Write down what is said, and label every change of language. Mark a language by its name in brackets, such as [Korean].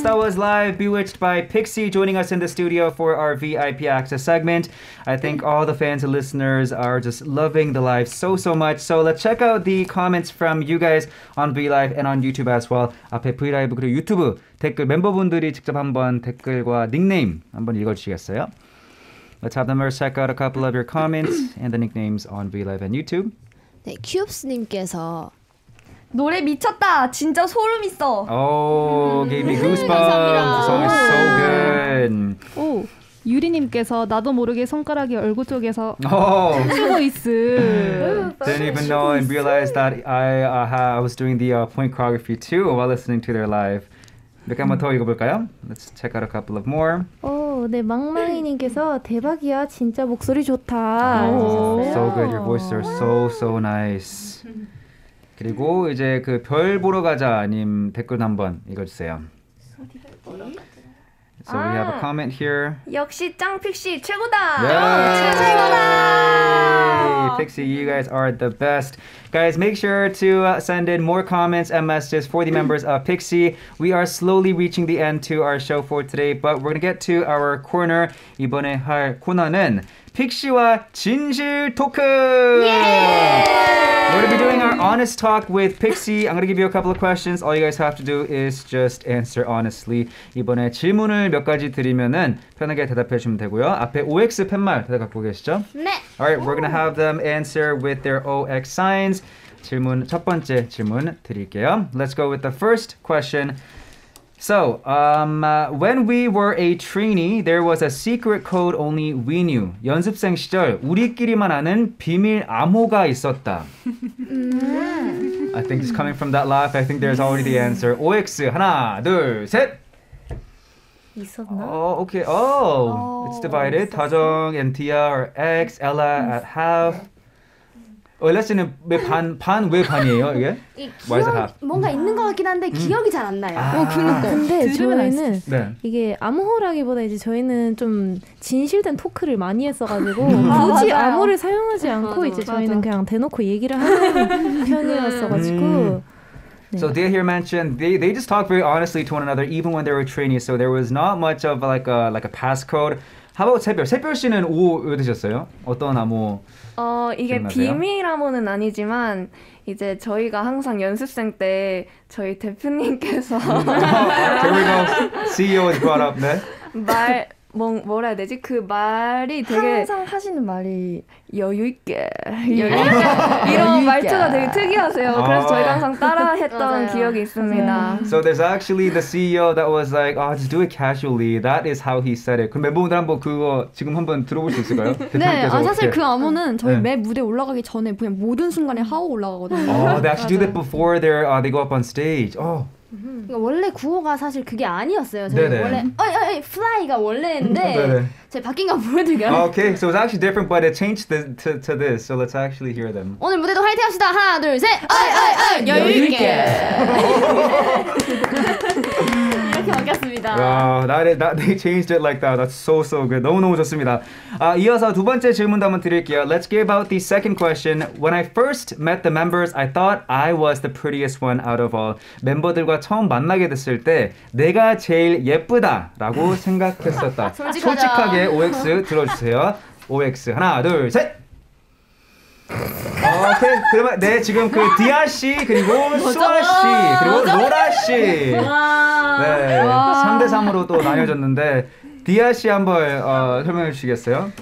[English] That was Live Bewitched by Pixie joining us in the studio for our VIP Access segment. I think all the fans and listeners are just loving the live so, so much. So let's check out the comments from you guys on VLive and on YouTube as well. [Korean] 앞에 VLive 그리고 유튜브 댓글 멤버분들이 직접 한번 댓글과 닉네임 한번 읽어주시겠어요? [English] Let's have the members check out a couple of your comments and the nicknames on VLive and YouTube. [Korean] 네, 큐브스님께서 노래 미쳤다. 진짜 소름 있어. [English] Gave me goosebumps. The song is so good. [Korean] 오, 유리님께서 나도 모르게 손가락이 얼굴 쪽에서 치고 있어. [English] Didn't even know and realize that I was doing the point choreography too while listening to their live. [Korean] 몇 개 한번 더 읽어볼까요? [English] Let's check out a couple of more. [Korean] 오, 네, 망망이님께서 대박이야. 진짜 목소리 좋다. [English] So good. Your voices are so, so nice. [Korean] 그리고 이제 그 별 보러 가자 님 댓글 한번 읽어주세요. 어디 별 보러 가자. [English] So we have a comment here. [Korean] 역시 짱 픽시 최고다. 최고다. [English] Pixie, you guys are the best. Guys, make sure to send in more comments and messages for the members of Pixie. We are slowly reaching the end to our show for today, but we're gonna get to our corner. [Korean] 이번에 할 코너는 픽시와 진실 토크! [English] We're gonna be doing our honest talk with Pixie. I'm gonna give you a couple of questions. All you guys have to do is just answer honestly. [Korean] 이번에 질문을 몇 가지 드리면은 편하게 대답해 주시면 되고요. 앞에 OX 팻말 대답 갖고 계시죠? 네! [English] Alright, we're gonna have them answer with their OX signs. [Korean] 질문, 첫 번째 질문 드릴게요. Let's go with the first question. [English] So, when we were a trainee, there was a secret code only we knew. [Korean] 연습생 시절 우리끼리만 아는 비밀 암호가 있었다. [English] I think it's coming from that laugh. I think there's already the answer. [Korean] OX, 하나, 둘, 셋! 있었나? [English] Okay, oh, it's divided. 다정, NTR, X, Ella at half. [Korean] 레슨은 반왜 반이에요 이게? 이 기억 뭔가 있는 것 같긴 한데 기억이 잘 안 나요. 근데 저희는 네. 이게 암호라기보다 이제 저희는 좀 진실된 토크를 많이 했어가지고 굳이 암호를 사용하지 않고 이제 저희는 그냥 대놓고 얘기를 하는 편이었어가지고. [English] 네. So Dia here mentioned they just talk very honestly to one another even when they were trainees. So there was not much of like a passcode. How about 세별? [Korean] 세별 씨는 오 얻으셨어요? 어떤 암호? 이게 비밀 암호는 아니지만 이제 저희가 항상 연습생 때 저희 대표님께서 [English] Here we go. CEO is brought up. 네. [Korean] 말 뭐라 해야 되지? 그 말이 되게 항상 하시는 말이 여유 있게 이런 여유 말투가 되게 특이하세요. 그래서 저희가 항상 따라했던 기억이 있습니다. [English] So there's actually the CEO that was like, oh, just do it casually. That is how he said it. [Korean] 그럼 멤버분들 한번 그거 지금 한번 들어볼 수 있을까요? 네, 사실 그 암호는 저희 매 무대 올라가기 전에 그냥 모든 순간에 하고 올라가거든요. [English] Oh, they actually do that before they go up on stage. Oh. [Korean] 그러니까 원래 구호가 사실 그게 아니었어요. 저희 네네. 원래 어이 fly가 원래인데 제 바뀐 건 모르겠어요. [English] Okay, so it's actually different, but it changed to this. So let's actually hear them. [Korean] 오늘 무대도 화이팅 합시다. 하나, 둘, 셋. 어이 여유 있게. 이렇게 바뀌었습니다. [English] Wow, they changed it like that. That's so so good. [Korean] 너무 너무 좋습니다. 이어서 두 번째 질문 한번 드릴게요. Let's give out the second question. [English] When I first met the members, I thought I was the prettiest one out of all. [Korean] 멤버들과 처음 만나게 됐을 때 내가 제일 예쁘다라고 생각했었다. 솔직하게 OX 들어주세요. OX 하나, 둘, 셋. 오케이 그러면 네 지금 그 디아 씨 그리고 수아 씨 그리고 로라 씨 네 3대3으로 또 나뉘어졌는데 디아 씨 한번 설명해 주시겠어요?